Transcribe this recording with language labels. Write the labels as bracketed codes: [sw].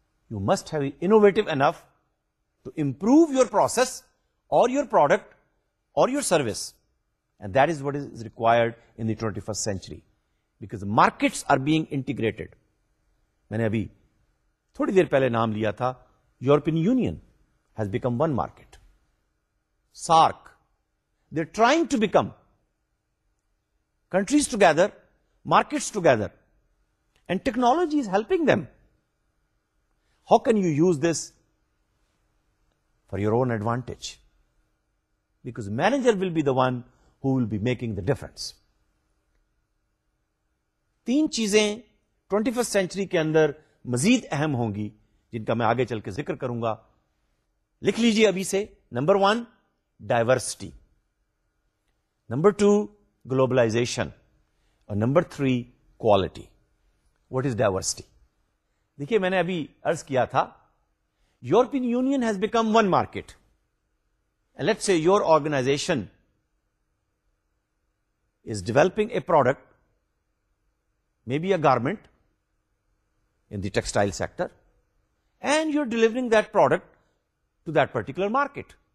[en] You must have innovative enough to improve your process or your product or your service. And that is what is required in the 21st century. Because the markets are being integrated. [ur] میں نے ابھی تھوڑی دیر پہلے نام لیا تھا, [en] European Union has become one market. SARC, they're trying to become countries together, markets together. And technology is helping them. How can you use this for your own advantage? Because manager will be the one who will be making the difference. [ur] تین چیزیں 21st century کے اندر مزید اہم ہوں گی جن کا میں آگے چل کے ذکر کروں گا. لکھ لیجئے ابھی سے. Number one, diversity. Number two, globalisation. اور number three, quality. [en] What is diversity? [ur] دیکھیے, میں نے ابھی عرض کیا تھا, [en] European union has become one market. Let's say your organisation is developing a product, maybe a garment in the textile sector, and you're delivering that product to that particular market.